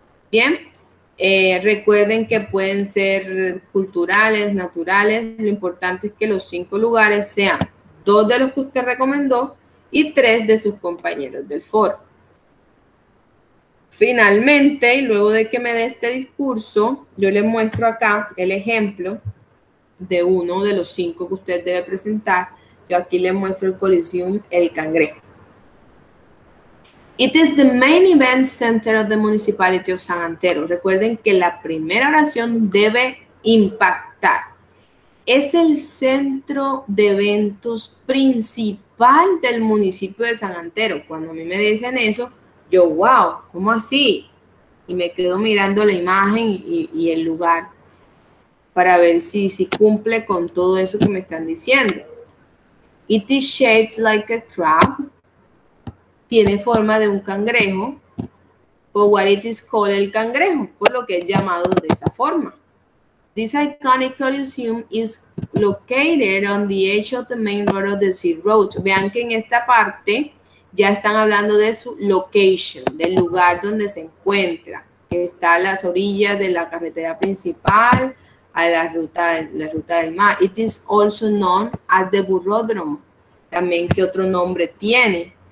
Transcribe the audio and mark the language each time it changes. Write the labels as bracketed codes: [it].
[es] Bien, recuerden que pueden ser culturales, naturales, lo importante es que los 5 lugares sean 2 de los que usted recomendó y 3 de sus compañeros del foro. Finalmente, y luego de que me dé este discurso, yo les muestro acá el ejemplo de uno de los 5 que usted debe presentar. Yo aquí les muestro el Coliseum El Cangrejo. [en] It is the main event center of the municipality of San Antero. [es] Recuerden que la primera oración debe impactar. Es el centro de eventos principal del municipio de San Antero. Cuando a mí me dicen eso, yo, wow, ¿cómo así? Y me quedo mirando la imagen y el lugar para ver si cumple con todo eso que me están diciendo. [en] It is shaped like a crab. [es] Tiene forma de un cangrejo. Por [en] what it is called [es] el cangrejo, por lo que es llamado de esa forma. [en] This iconic Coliseum is located on the edge of the main road of the Sea Road. [es] Vean que en esta parte ya están hablando de su location, del lugar donde se encuentra. Está a las orillas de la carretera principal, a la ruta del mar. [en] It is also known as the Burrodromo. [es] También, ¿qué otro nombre tiene?